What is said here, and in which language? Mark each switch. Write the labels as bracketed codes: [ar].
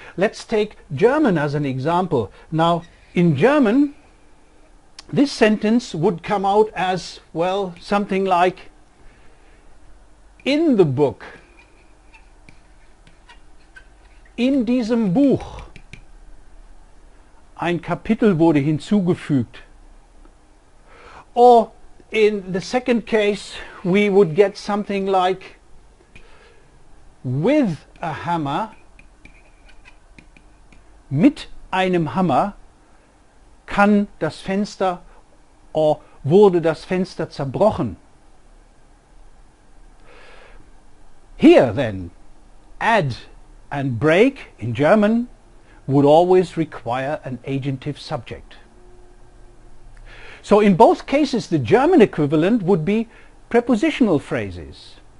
[en] Let's take German as an example. Now, in German, this sentence would come out as, well, something like, in the book, [de] in diesem Buch, ein Kapitel wurde hinzugefügt. [en] Or in the second case, we would get something like, with a hammer, [de] mit einem Hammer, kann das Fenster, [en] or [de] wurde das Fenster zerbrochen. [en] Here then, add and break in German would always require an agentive subject. So in both cases, the German equivalent would be prepositional phrases.